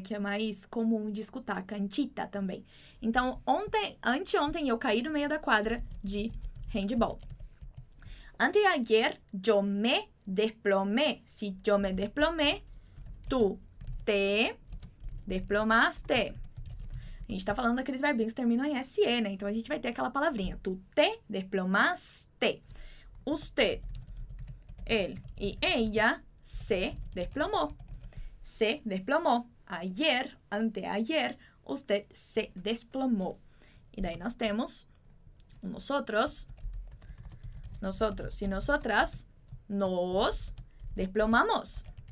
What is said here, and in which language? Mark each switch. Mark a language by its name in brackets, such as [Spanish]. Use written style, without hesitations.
[Portuguese] Que é mais comum de escutar, canchita também. Então, anteontem eu caí no meio da quadra de handball. [Spanish] Anteayer, yo me desplomé. Si yo me desplomé, tu te desplomaste. [Portuguese] A gente tá falando daqueles verbinhos que terminam em SE, né? Então, a gente vai ter aquela palavrinha. [Spanish] Tu te desplomaste. Usted, él y ella se desplomó. Se desplomó. Ayer, anteayer, usted se desplomó. [Portuguese] E daí nós temos nosotros. [Spanish] Nosotros y nosotras nos desplomamos.